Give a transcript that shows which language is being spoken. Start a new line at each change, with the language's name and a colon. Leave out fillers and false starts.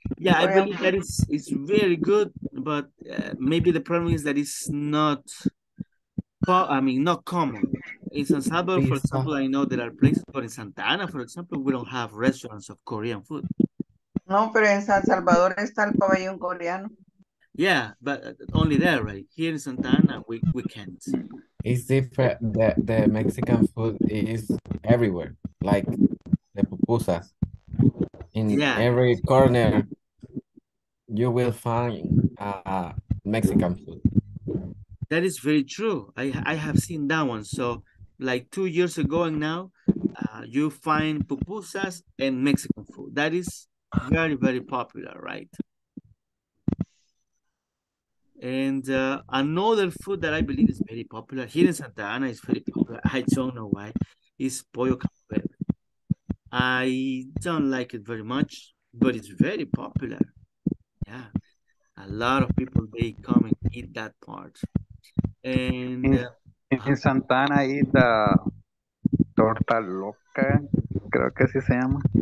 English: Yeah, I believe that it's very good, but maybe the problem is that it's not common. In San Salvador, for example, I know there are places, but in Santa Ana, for example, we don't have restaurants of Korean food.
Spanish: No, pero en San Salvador está el pabellón coreano.
English: Yeah, but only there, right? Here in Santa Ana, we can't. It's different. The Mexican food is everywhere, like the pupusas. In every corner, you will find Mexican food. That is very true. I have seen that one. So, like 2 years ago and now, you find pupusas and Mexican food. That is very, very popular, right? And another food that I believe is very popular here in Santa Ana is very popular. I don't know why. Is pollo campero. I don't like it very much, but it's very popular. Yeah, a lot of people, they come and eat that part. And
Spanish: En Santana y la torta loca, creo que así se llama.